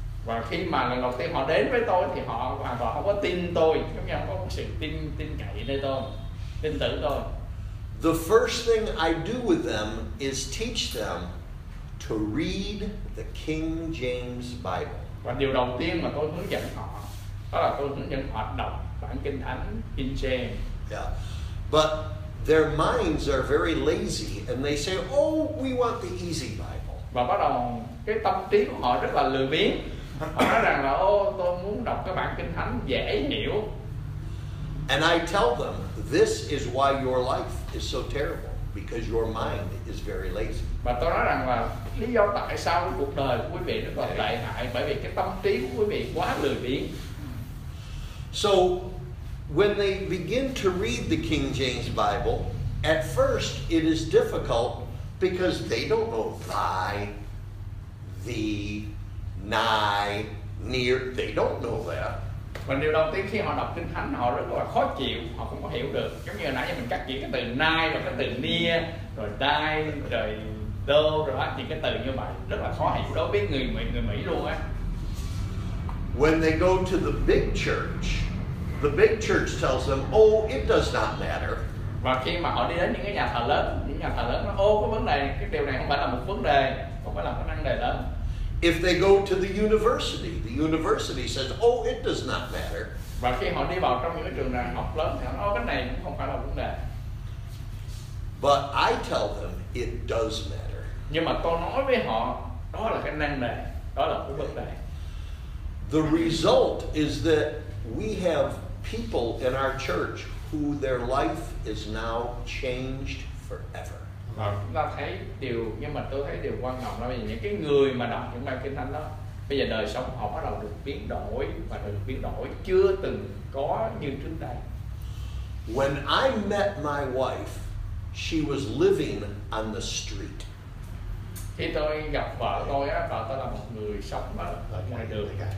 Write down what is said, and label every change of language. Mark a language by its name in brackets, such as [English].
[Vietnamese] Và khi mà lần đầu tiên họ đến với tôi thì họ hoàn toàn không có tin tôi, giống như không có sự tin cậy nơi tôi, tin tưởng tôi. [English] The first thing I do with them is teach them to read the King James Bible. [Vietnamese] Và điều đầu tiên mà tôi hướng dẫn họ đó là tôi hướng dẫn họ đọc bản kinh thánh King James. [English] Yeah, but their minds are very lazy and they say, oh, we want the easy Bible. [Vietnamese] Và bắt đầu cái tâm trí của họ rất là lười biếng. Họ nói rằng là ô, tôi muốn đọc cái bản kinh thánh dễ hiểu. [English] And I tell them, this is why your life is so terrible, because your mind is very lazy. [Vietnamese] Và tôi nói rằng là lý do tại sao cuộc đời của quý vị rất là tệ hại, bởi vì cái tâm trí của quý vị quá lười biếng. [English] So when they begin to read the King James Bible, at first it is difficult because they don't know thy, the, nigh, near. They don't know that. [Vietnamese] Và điều đầu tiên khi họ đọc kinh thánh họ rất là khó chịu, họ không có hiểu được. Giống như nãy giờ mình cắt chỉ cái từ nigh và cái từ near, rồi thy, rồi đô, rồi những cái từ như vậy rất là khó hiểu đối với người Mỹ luôn á. [English] When they go to the big church tells them, oh, it does not matter. [Vietnamese] Và khi mà họ đi đến những cái nhà thờ lớn, những nhà thờ lớn nó ô cái vấn đề, cái điều này không phải là một vấn đề, không phải là một vấn đề lớn. [English] If they go to the university says, oh, it does not matter. [Vietnamese] Và khi họ đi vào trong những cái trường đại học lớn thì họ nói, ô, cái này cũng không phải là vấn đề. [English] But I tell them it does matter. [Vietnamese] Nhưng mà tôi nói với họ, đó là cái năng đề, đó là cái vấn đề. [English] The result is that we have people in our church who their life is now changed forever. [Vietnamese] Chúng ta thấy điều, nhưng mà tôi thấy điều quan trọng là vì những cái người mà đọc những bài kinh thánh đó, bây giờ đời sống họ bắt đầu được biến đổi và được biến đổi chưa từng có như trước đây. [English] When I met my wife, she was living on the street. [Vietnamese] Khi tôi gặp vợ tôi á, vợ tôi là một người sống ở ngoài đường.